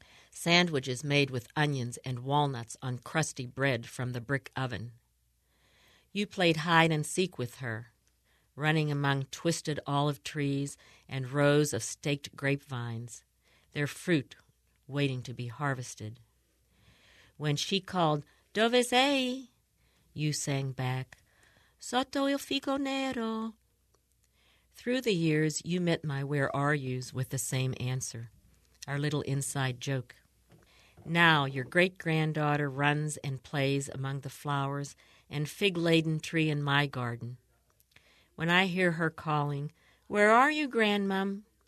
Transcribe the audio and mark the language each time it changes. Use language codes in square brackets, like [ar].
[en] Sandwiches made with onions and walnuts on crusty bread from the brick oven. You played hide and seek with her, running among twisted olive trees and rows of staked grapevines, their fruit waiting to be harvested. When she called, [it] "Dove sei?" [en] you sang back, [it] "Sotto il fico nero." [en] Through the years, you met my "where are yous" with the same answer, our little inside joke. Now your great-granddaughter runs and plays among the flowers and fig-laden tree in my garden. When I hear her calling, "Where are you, Grandmum?"